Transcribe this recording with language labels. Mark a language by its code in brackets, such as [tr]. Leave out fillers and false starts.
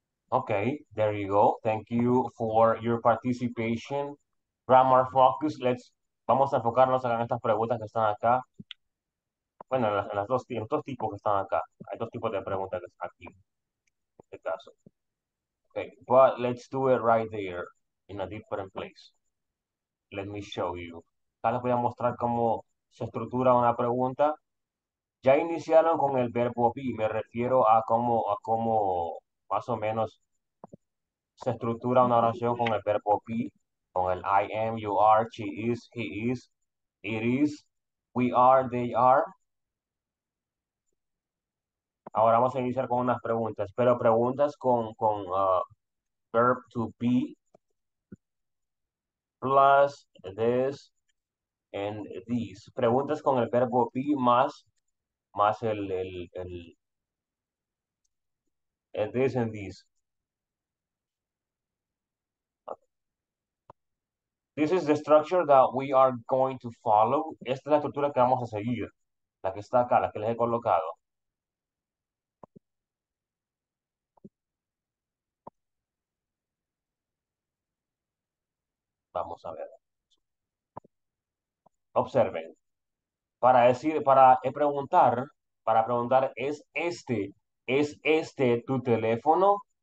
[en] Okay, there you go. Thank you for your participation. Grammar focus. [es] Vamos a enfocarnos en estas preguntas que están acá. Bueno, en los dos tipos que están acá. Hay dos tipos de preguntas que están aquí. En este caso. [en] Okay, but let's do it right there in a different place. Let me show you. [es] Acá les voy a mostrar cómo se estructura una pregunta. Ya iniciaron con el verbo be. Me refiero a cómo más o menos se estructura una oración con el verbo be. Con el [en] I am, you are, she is, he is, it is, we are, they are. [es] Ahora vamos a iniciar con unas preguntas, pero preguntas con [en] verb to be plus this and these. [es] Preguntas con el verbo be más el [en] and this and these. This is the structure that we are going to follow. [es] Esta es la estructura que vamos a seguir, la que está acá, la que les he colocado. Vamos a ver. Observen. Para decir, para preguntar, ¿es este tu teléfono?